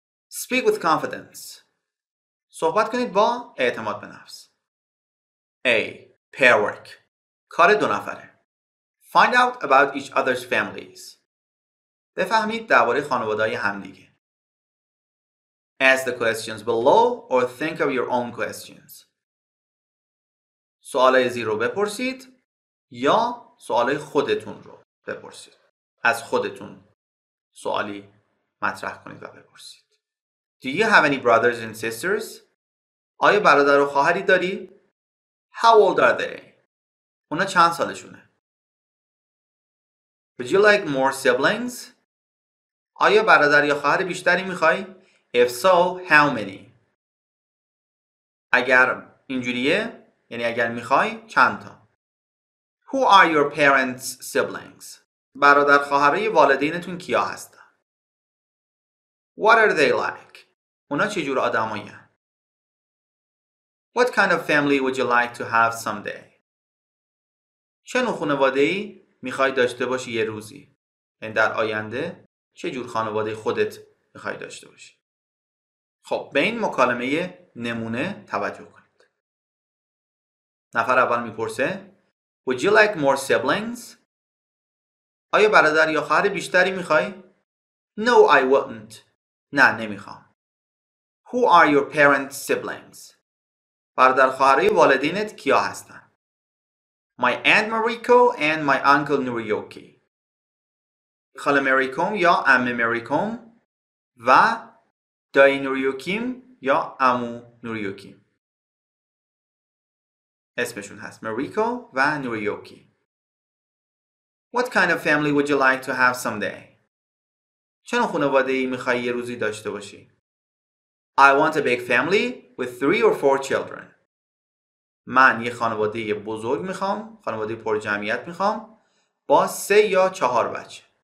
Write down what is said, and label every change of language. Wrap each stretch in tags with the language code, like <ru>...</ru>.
<en>Speak with confidence.</en> <fa>صحبت کنید با اعتماد به نفس.</fa> <en>A. Pair work.</en> <fa>کار دو نفره.</fa> <en>Find out about each other's families.</en> <fa>بفهمید درباره خانواده‌های همدیگه.</fa> <en>Ask the questions below or think of your own questions.</en> <fa>سوالای زیر رو بپرسید یا سوالای خودتون رو بپرسید. از خودتون سوالی مطرح کنید و بپرسید.</fa> <en>Do you have any brothers and sisters?</en> <fa>آیا برادر و خواهری داری؟</fa> <en>How old are they?</en> <fa>اونا چند سالشونه؟</fa> <en>Would you like more siblings?</en> <fa>آیا برادر یا خواهر بیشتری میخوای؟</fa> <en>If so, how many?</en> <fa>اگر اینجوریه، یعنی اگر میخوای چند تا.</fa> <en>Who are your parents' siblings?</en> <fa>برادر خواهر والدینتون کیا هستن؟</fa> <en>What are they like?</en> <fa>اونا چجور آدم هایی هستن؟</fa> <en>What kind of family would you like to have someday?</en> <fa>چه نوع خانواده‌ای می‌خوای داشته باشی یه روزی؟ این در آینده چه جور خانواده خودت می‌خوای داشته باشی؟ خب به این مکالمه نمونه توجه کنید. نفر اول می‌پرسه:</fa> <en>Would you like more siblings?</en> <fa>آیا برادر یا خواهر بیشتری می‌خوای؟</fa> <en>No, I wouldn't.</en> <fa>نه، نمی‌خوام.</fa> <en>Who are your parents' siblings?</en> <fa>برادر خواهرای والدینت کیا هستن؟</fa> <en>My aunt Mariko and my uncle Nuriyoki.</en> <fa>خاله مریکوم یا عمه مریکوم و دایی نوریوکیم یا عمو نوریوکیم. اسمشون هست مریکو و نوریوکی.</fa> <en>What kind of family would you like to have someday?</en> <fa>چه نوع خانواده‌ای می‌خوای یه روزی داشته باشی؟</fa> <en>I want a big family with 3 or 4 children.</en> <fa>من یه خانواده بزرگ می‌خوام، خانواده پر جمعیت می‌خوام با 3 یا 4 بچه.</fa>